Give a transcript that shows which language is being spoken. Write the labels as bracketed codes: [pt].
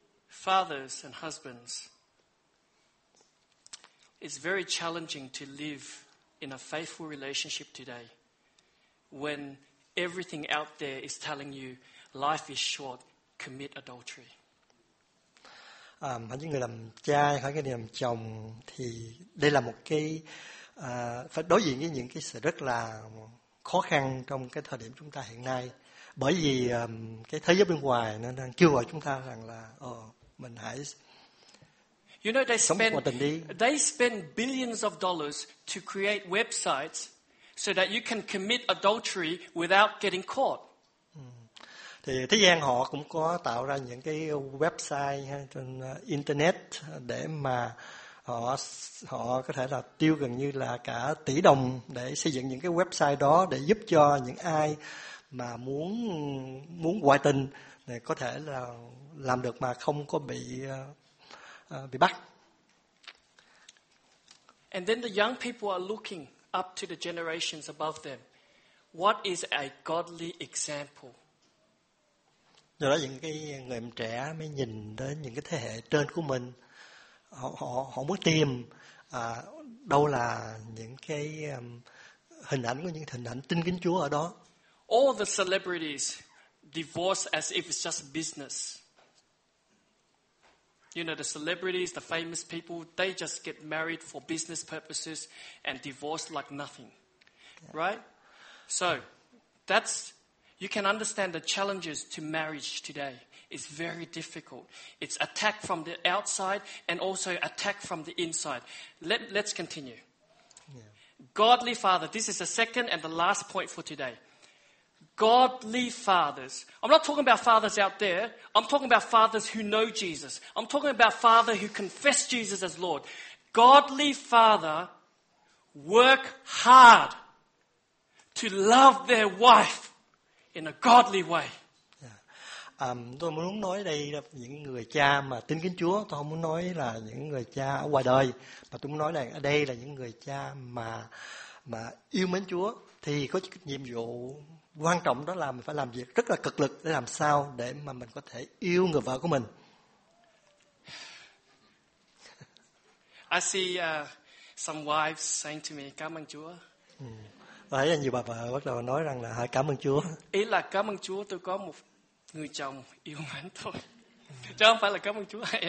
[en] Fathers and husbands, it's very challenging to live in a faithful relationship today when everything out there is telling you life is short, commit adultery. [vi] Hãy những người làm cha, hãy những người làm chồng thì đây là một cái phải đối diện với những cái sự rất là khó khăn trong cái thời điểm chúng ta hiện nay, bởi vì cái thế giới bên ngoài nó đang kêu gọi chúng ta rằng là mình hãy, [en] you know, they spend billions of dollars to create websites so that you can commit adultery without getting caught. [vi] Thì thế gian họ cũng có tạo ra những cái website hay trên internet để mà họ có thể là tiêu gần như là cả tỷ đồng để xây dựng những cái website đó để giúp cho những ai mà muốn ngoại tình này có thể là làm được mà không có bị bắt. [en] And then the young people are looking up to the generations above them. What is a godly example? [vi] Do đó những cái người em trẻ mới nhìn tới những cái thế hệ trên của mình, họ muốn tìm đâu là những cái hình ảnh của những hình ảnh tin kính Chúa ở đó. [en] All the celebrities divorce as if it's just business. You know, the celebrities, the famous people, they just get married for business purposes and divorce like nothing. Yeah. Right? So, that's, you can understand the challenges to marriage today. It's very difficult. It's attack from the outside and also attack from the inside. Let's continue. Yeah. Godly father. This is the second and the last point for today. Godly fathers. I'm not talking about fathers out there. I'm talking about fathers who know Jesus. I'm talking about father who confess Jesus as Lord. Godly father work hard to love their wife in a godly way. Yeah. [vi] Tôi muốn nói đây là những người cha mà tin kính Chúa. Tôi không muốn nói là những người cha ở ngoài đời. Mà tôi muốn nói là đây là những người cha mà yêu mến Chúa. Thì có nhiệm vụ quan trọng đó là mình phải làm việc rất là cực lực để làm sao để mà mình có thể yêu người vợ của mình. [en] I see some wives saying to me, [vi] cảm ơn Chúa. Và thấy nhiều bà vợ bắt đầu nói rằng là cảm ơn Chúa. Ý là cảm ơn Chúa tôi có một người chồng yêu mến tôi. Chứ không phải là cảm ơn Chúa.